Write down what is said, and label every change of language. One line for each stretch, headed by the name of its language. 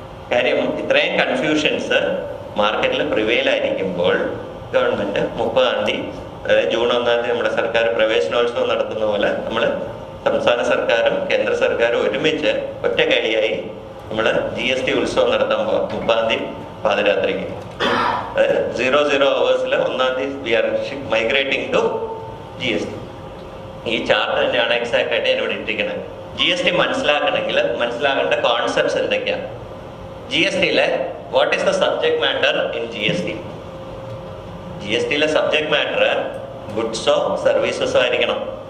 Malayalam: കാര്യം ഇത്രയും കൺഫ്യൂഷൻസ് മാർക്കറ്റിൽ പ്രിവെയിൽ ആയിരിക്കുമ്പോൾ ഗവൺമെന്റ് 30th June 1 നമ്മുടെ സർക്കാർ പ്രവേശനോത്സവം നടത്തുന്ന പോലെ നമ്മൾ സംസ്ഥാന സർക്കാരും കേന്ദ്ര സർക്കാരും ഒരുമിച്ച് ഒറ്റ കൈയായി നമ്മൾ ജി എസ് ടി ഉത്സവം നടത്താൻ പോകാം 30th പാതിരാത്രിക്ക്.
English: അതായത് 00 hours 1st we are migrating to G S T.
Malayalam: ഈ ചാർട്ടർ തന്നെയാണ് എക്സാക്ട് ആയിട്ട് ഞാനിവിടെ ഇട്ടിരിക്കുന്നത്. ജി എസ് ടി മനസ്സിലാക്കണമെങ്കിൽ മനസ്സിലാകേണ്ട കോൺസെപ്റ്റ്സ് എന്തൊക്കെയാണ്?
English: G S ടിയിലെ what is the subject matter in G S T?
Malayalam: G S ടിയിലെ subject matter ഗുഡ്സോ സർവീസസോ ആയിരിക്കണം.